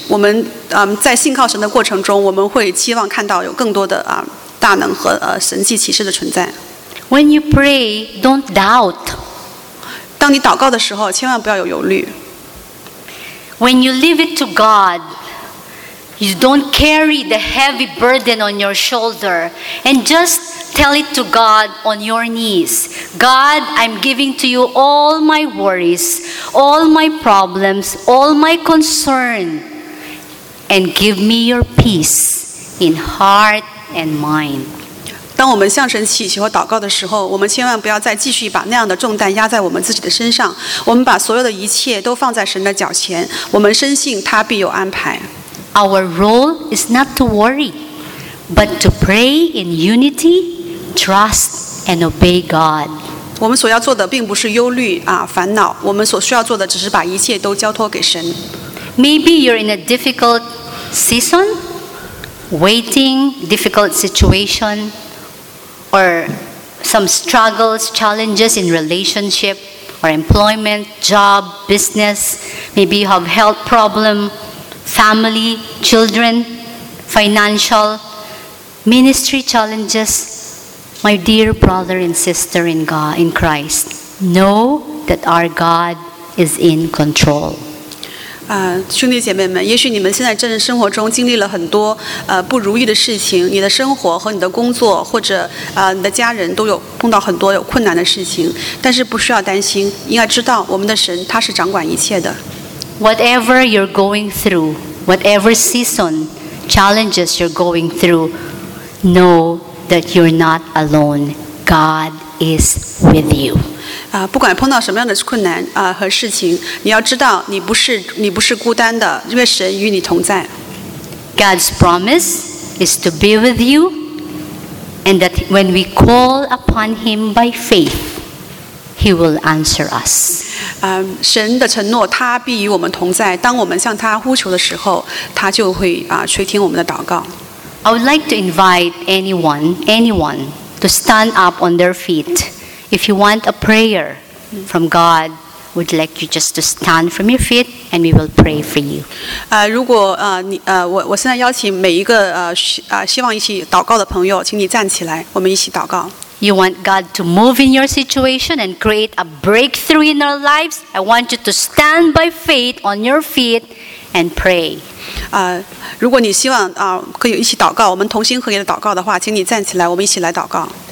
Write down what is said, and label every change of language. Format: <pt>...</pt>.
<zh>我们在信靠神的过程中，我们会期望看到有更多的大能和神迹奇事的存在。</zh> <en>When you pray, don't doubt.</en> <zh>当你祷告的时候，千万不要有忧虑。</zh> <en>When you leave it to God, you don't carry the heavy burden on your shoulder and just tell it to God on your knees. God, I'm giving to you all my worries, all my problems, all my concern, and give me your peace in heart. And mine.</en> <zh>当我们向神祈求和祷告的时候，我们千万不要再继续把那样的重担压在我们自己的身上。我们把所有的一切都放在神的脚前，我们深信他必有安排。</zh> <en>Our role is not to worry, but to pray in unity, trust, and obey God.</en> <zh>我们所要做的并不是忧虑烦恼，我们所需要做的只是把一切都交托给神。</zh> <en>Maybe you're in a difficult season. Waiting, difficult situation, or some struggles, challenges in relationship, or employment, job, business. Maybe you have health problem, family, children, financial, ministry challenges. My dear brother and sister in God, in Christ, know that our God is in control.</en> <zh>兄弟姐妹们，也许你们现在正在生活中经历了很多不如意的事情，你的生活和你的工作或者你的家人都有碰到很多有困难的事情，但是不需要担心，应该知道我们的神他是掌管一切的。</zh> <en>Whatever you're going through, whatever season challenges you're going through, know that you're not alone. God is with you.</en> <zh>不管碰到什么样的困难和事情，你要知道你不是孤单的，因为神与你同在。</zh> <en>God's promise is to be with you, and that when we call upon Him by faith, He will answer us.</en> <zh>神的承诺，他必与我们同在。当我们向他呼求的时候，他就会垂听我们的祷告。</zh> <en>I would like to invite anyone, to stand up on their feet. If you want a prayer from God, we'd like you just to stand from your feet, and we will pray for you.</en> <zh>如果我现在邀请每一个希望一起祷告的朋友，请你站起来，我们一起祷告。</zh> <en>You want God to move in your situation and create a breakthrough in our lives? I want you to stand by faith on your feet and pray.</en> <zh>如果你希望可以一起祷告，我们同心合一的祷告的话，请你站起来，我们一起来祷告。</zh>